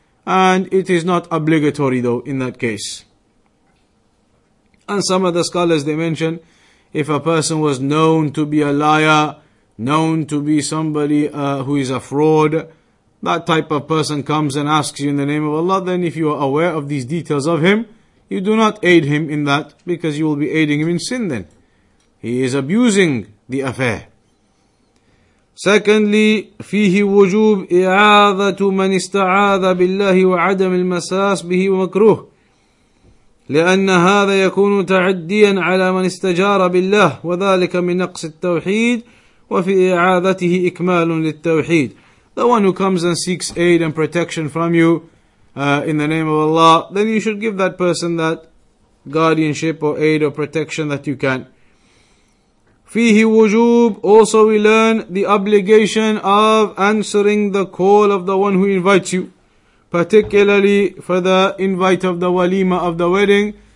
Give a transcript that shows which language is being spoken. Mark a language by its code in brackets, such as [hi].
[en] And it is not obligatory though in that case. And some of the scholars, they mention, if a person was known to be a liar, known to be somebody who is a fraud, that type of person comes and asks you in the name of Allah, then if you are aware of these details of him, you do not aid him in that, because you will be aiding him in sin then. He is abusing the affair. [ar] Secondly, فيه وجوب إعاذة من استعاذ بالله وعدم المساس به مكروه لأن هذا يكون تعديا على من استجار بالله وذلك من نقص التوحيد وفي إعاذته إكمال للتوحيد. [en] The one who comes and seeks aid and protection from you in the name of Allah, then you should give that person that guardianship or aid or protection that you can. [ar] فيه وجوب. [en] Also we learn the obligation of answering the call of the one who invites you, particularly for the invite of the walima of the wedding.